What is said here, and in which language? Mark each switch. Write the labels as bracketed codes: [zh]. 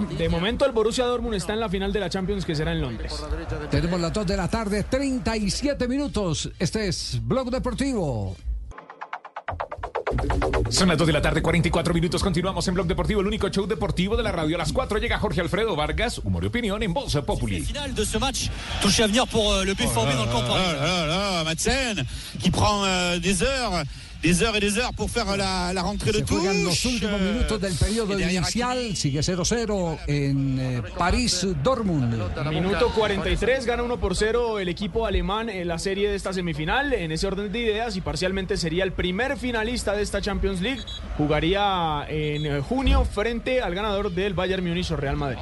[es] De momento el Borussia Dortmund está en la final de la Champions, que será en Londres. Tenemos las 2 de la tarde, 37 minutos. Este es Blog Deportivo. Son las 2:44. Continuamos en Blog Deportivo, el único show deportivo de la radio. A las 4 llega Jorge Alfredo Vargas, humor y opinión en Voz Populi. [fr] Final de ce match, touche à venir pour le BFB dans le camp. Madsen, qui prend des heures. Des heures et des heures pour faire la rentrée de [es] Se juegan [fr] touche. [es] Los últimos minutos del periodo inicial, sigue 0-0 en París Dortmund. Minuto 43, gana 1-0 el equipo alemán en la serie de esta semifinal, en ese orden de ideas, y parcialmente sería el primer finalista de esta Champions League, jugaría en junio frente al ganador del Bayern Múnich o Real Madrid.